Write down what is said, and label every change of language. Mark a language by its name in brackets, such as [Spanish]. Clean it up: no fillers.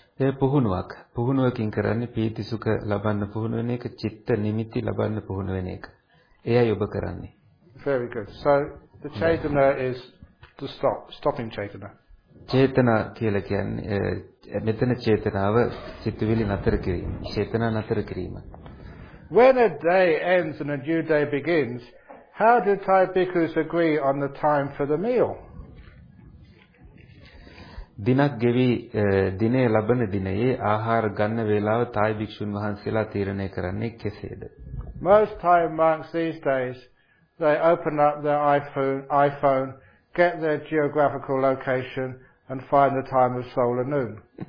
[Sinhala] ඒ පුහුණුවක් පුහුණුවකින් කරන්නේ පීති සුඛ ලබන්න පුහුණු වෙන එක චිත්ත නිමිති ලබන්න පුහුණු වෙන එක. එයයි ඔබ කරන්නේ. [English] Very good. So the chaitana is to stopping chaitana. [Sinhala] චේතන කියලා කියන්නේ මෙතන චේතනාව චිත්තවිලි නතර කිරීම. චේතන නතර කිරීම. [English] When a day ends and a new day begins, how do Thai bhikkhus agree on the time for the meal? [Sinhala] දිනක් ගෙවි දිනේ ලැබෙන දිනයේ ආහාර ගන්න වේලාව තායි භික්ෂුන් වහන්සේලා තීරණය කරන්නේ කෙසේද? [English] Most Thai monks these days, they open up their iPhone, get their geographical location and find the time of solar noon.